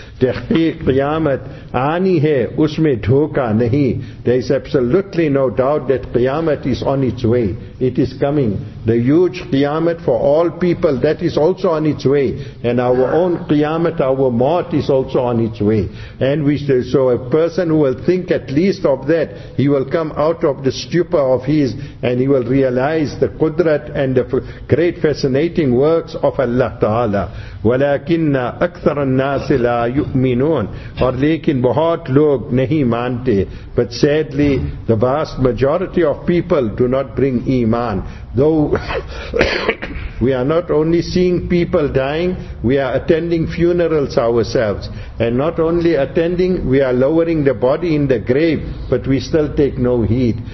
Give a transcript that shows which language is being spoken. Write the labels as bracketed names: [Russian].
[Urdu] تحقیق قیامت آنی ہے اس میں دھوکا نہیں. [English] There is absolutely no doubt that قیامت is on its way. It is coming. The huge قیامت for all people, that is also on its way. And our own قیامت, our mort is also on its way. And so a person who will think at least of that, he will come out of the stupor of his and he will realize the قدرت and the great fascinating works of Allah Ta'ala. [Arabic] وَلَكِنَّ أَكْثَرَ النَّاسِ لَا يُؤْمِنُونَ. [Urdu] اور لیکن بہت لوگ نہیں مانتے. [English] But sadly, the vast majority of people do not bring iman. Though we are not only seeing people dying, we are attending funerals ourselves. And not only attending, we are lowering the body in the grave, but we still take no heed.